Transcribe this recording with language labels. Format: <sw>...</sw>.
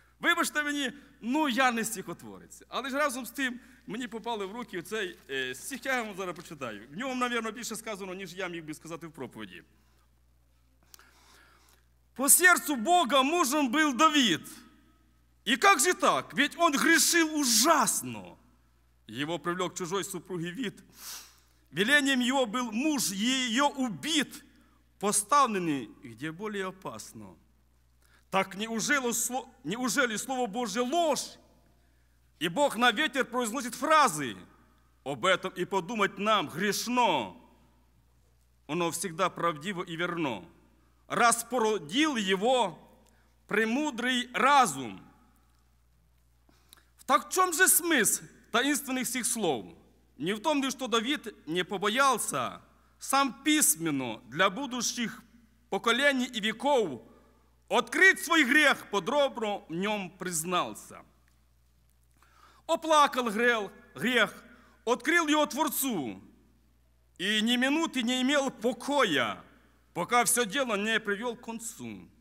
<uk>Вибачте мені, ну я не стихотворець. Але ж разом з тим мені попали в руки цей стих, я вам зараз прочитаю. В ньому, мабуть, більше сказано, ніж я міг би сказати в проповіді. «По серцю Бога мужем був Давид.</uk> <ru>И как же так? Ведь он грешил ужасно. Его привлек чужой супруги вид. Велением его был муж ее убит, поставленный, где более опасно. Так неужели слово Божье ложь? И Бог на ветер произносит фразы. Об этом и подумать нам грешно. Оно всегда правдиво и верно. Раз породил его премудрый разум.</ru> <uk>Так в чому же смисл таїнственних цих слов? Ні в тому, що Давид не побоявся сам письменно для будущих поколінь і віков відкрити свій гріх, подробно в ньому признався. Оплакав гріх, відкрив його Творцу, і ні минути не мав покоя, поки все діло не привів к концу.</uk>